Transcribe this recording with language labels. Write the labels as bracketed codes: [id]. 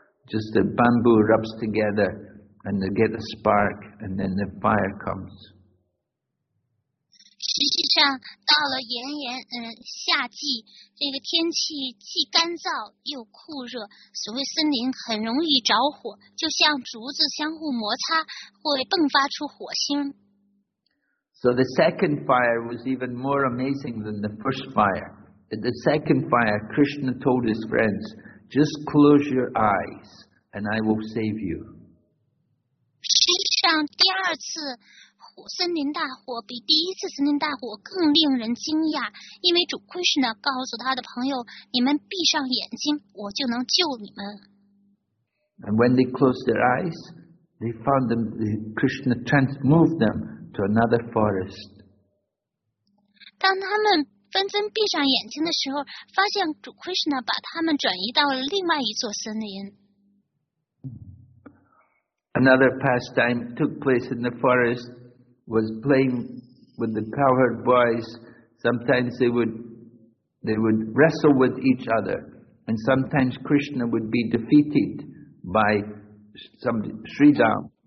[en] Just the bamboo rubs together, and they get a spark, and then the fire comes. [zh] 实际上，到了夏季，这个天气既干燥又酷热，所谓森林很容易着火，就像竹子相互摩擦，会迸发出火星。 [en] So the second fire was even more amazing than the first fire. At the second fire, Krishna told his friends, just close your eyes and I will save you. [zh] 实际上第二次森林大火比第一次森林大火更令人惊讶，因为主 Krishna 告诉他的朋友，你们闭上眼睛，我就能救你们。 [en] And when they closed their eyes, they found them, Krishna transmoved them. To another forest. [zh] 当他们纷纷闭上眼睛的时候，发现主 Krishna 把他们转移到了另外一座森林。 [en] Another pastime took place in the forest was playing with the cowherd boys. Sometimes they would wrestle with each other, and sometimes Krishna would be defeated by some Sridham.